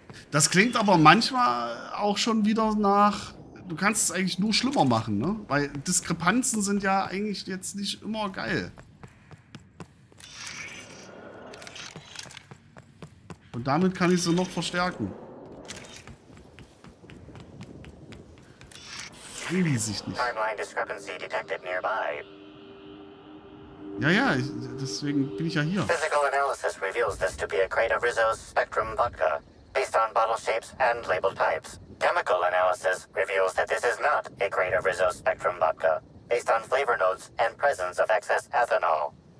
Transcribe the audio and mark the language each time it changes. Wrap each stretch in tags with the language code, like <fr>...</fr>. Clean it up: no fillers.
<de>Das klingt aber manchmal auch schon wieder nach, du kannst es eigentlich nur schlimmer machen, ne? Weil Diskrepanzen sind ja eigentlich jetzt nicht immer geil. Und damit kann ich sie noch verstärken. Freeze sich nicht.</de> <en>Timeline discrepancy detected nearby.</en> <de>Ja, deswegen bin ich ja hier.</de> <en>Physical analysis reveals this to be a crate of Rizzo's Spectrum Vodka. Based on bottle shapes and label types. Chemical analysis reveals that this is not a grade of Rizzo Spectrum vodka, based on flavor notes and presence of excess ethanol.</en>